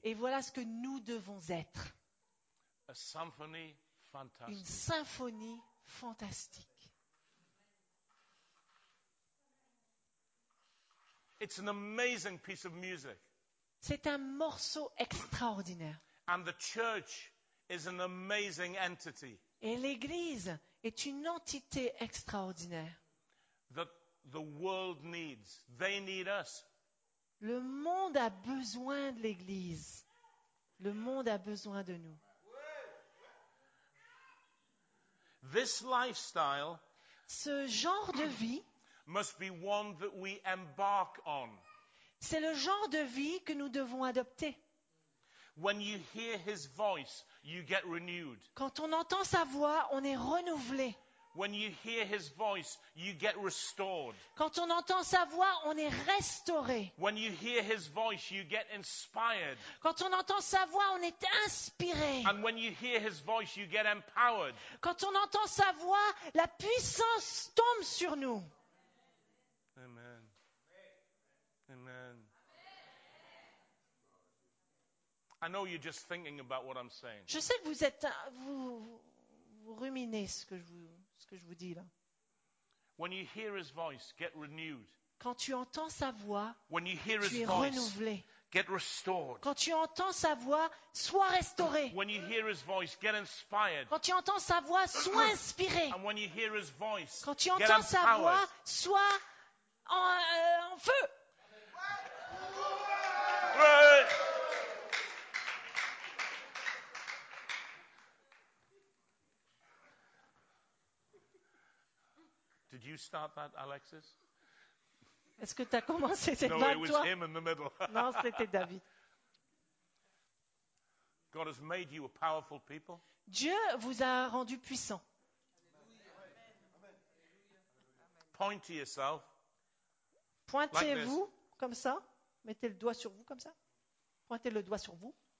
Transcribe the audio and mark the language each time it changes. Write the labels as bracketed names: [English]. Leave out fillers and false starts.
[French] Et voilà ce que nous devons être. [English] A symphony fantastic. [French] Une symphonie fantastique. [English] It's an amazing piece of music. [French] C'est un morceau extraordinaire. [English] And the church is an amazing entity. [French] Et l'Église est une entité extraordinaire. [English] That the world needs. They need us. [French] Le monde a besoin de l'Église. Le monde a besoin de nous. [English] This lifestyle, [French] ce genre de vie, [English] must be one that we embark on. [French] C'est le genre de vie que nous devons adopter. [English] When you hear his voice, you get renewed. [French] Quand on entend sa voix, on est renouvelé. [English] When you hear his voice, you get restored. [French] Quand on entend sa voix, on est restauré. [English] When you hear his voice, you get inspired. [French] Quand on entend sa voix, on est inspiré. [English] And when you hear his voice, you get empowered. [French] Quand on entend sa voix, la puissance tombe sur nous. [English] Amen. Amen. I know you're just thinking about what I'm saying. [French] Je sais que vous êtes vous ruminez ce que je vous dis là. [English] When you hear his voice, get renewed. [French] Quand tu entends sa voix, [English] when you hear [French] tu [English] his [French] es [English] voice, [French] renouvelé. [English] Get restored. [French] Quand tu entends sa voix, sois restauré. [English] When you hear his voice, get inspired. [French] Quand tu entends sa voix, sois inspiré. [English] And when you hear his voice, [French] quand tu entends sa voix, sois en feu. Ouais. [English] Did you start that, Alexis? [French] Est-ce que tu as commencé cette [English] no, it was him in the middle. [French] Non, c'était David. [English] God has made you a powerful people. [French] Dieu vous a rendu puissant. [English] Point to yourself. [French] Pointez-vous like comme ça. Mettez le doigt sur vous comme ça. Pointez le doigt sur vous.